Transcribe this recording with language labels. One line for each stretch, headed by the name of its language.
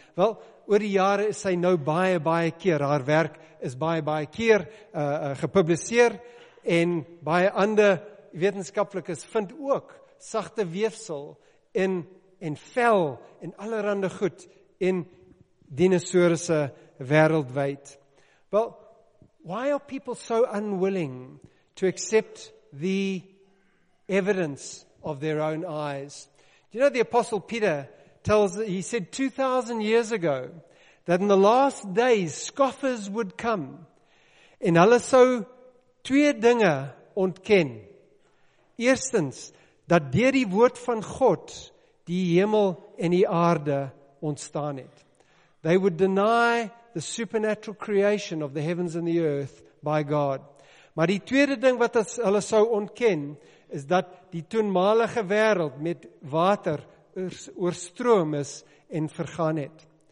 Afrikaans: Wel, oor die jare is sy nou baie keer, haar werk is baie keer gepubliseer en baie ander wetenskaplikes vind ook sagte weefsel in en vel en allerhande goed in dinosourusse wêreldwyd.
English: Well, why are people so unwilling to accept the evidence of their own eyes? Do you know the Apostle Peter tells, he said 2,000 years ago that in the last days scoffers would come
Afrikaans: en hulle sou twee dinge ontken. Eerstens, dat deur die woord van God die hemel en die aarde ontstaan het.
English: They would deny the supernatural creation of the heavens and the earth by God.
Afrikaans: Maar die tweede ding wat hulle sou ontken, is dat die toenmalige wêreld met water oorstroom is en vergaan het.